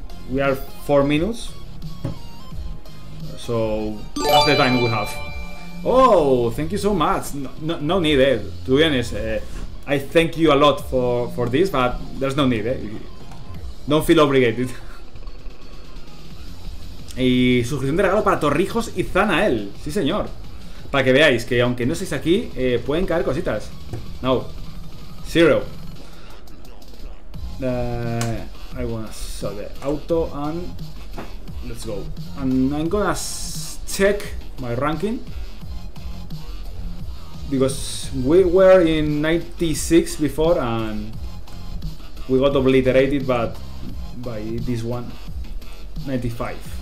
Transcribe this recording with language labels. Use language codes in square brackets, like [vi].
[en] We are 4 minutes, so that's the time we have. Oh, thank you so much. No need, to be honest. I thank you a lot for this, but there's no need. Don't feel obligated. [es] Y suscripción de regalo para Torrijos y Zanael. Sí, señor. Para que veáis que aunque no estéis aquí, pueden caer cositas. [en] No. Zero. I wanna sell the auto and let's go. And I'm gonna check my ranking, because we were in 96 before and we got obliterated by this one, 95.